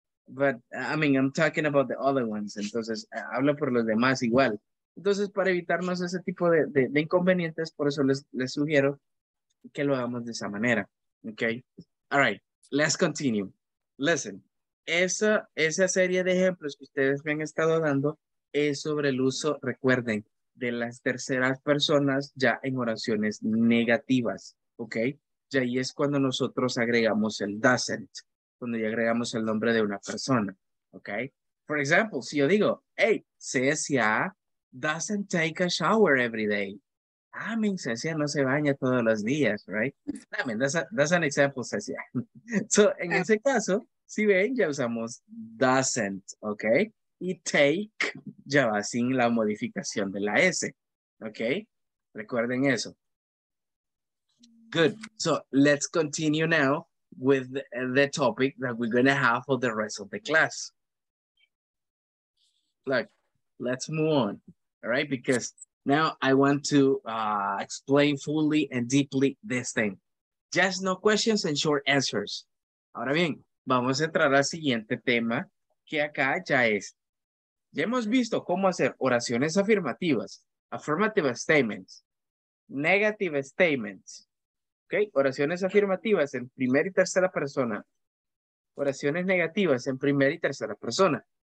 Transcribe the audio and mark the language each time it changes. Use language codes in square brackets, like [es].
[en] But, I mean, I'm talking about the other ones. [es] Entonces, hablo por los demás igual. Entonces, para evitarnos ese tipo de inconvenientes, por eso les sugiero que lo hagamos de esa manera. [en] Okay. All right. Let's continue. Listen. [es] Esa serie de ejemplos que ustedes me han estado dando es sobre el uso, recuerden, de las terceras personas ya en oraciones negativas, ¿ok? Y ahí es cuando nosotros agregamos el doesn't, cuando ya agregamos el nombre de una persona, ¿ok? Por ejemplo, si yo digo, [en] hey, Cecia doesn't take a shower every day. I mean, Cecia [es] no se baña todos los días, [en] right? I mean, that's an example, Cecia. [es] So, en ese caso, si ven, ya usamos doesn't, ¿ok? Y take ya va sin la modificación de la S, ¿ok? Recuerden eso. Good. [en] So, let's continue now with the topic that we're going to have for the rest of the class. Look, let's move on, all right? Because now I want to explain fully and deeply this thing. Just no questions and short answers. [es] Ahora bien, vamos a entrar al siguiente tema, que acá ya es. Ya hemos visto cómo hacer oraciones afirmativas, [en] affirmative statements, negative statements, [es] ¿ok? Oraciones afirmativas en primera y tercera persona, oraciones negativas en primera y tercera persona.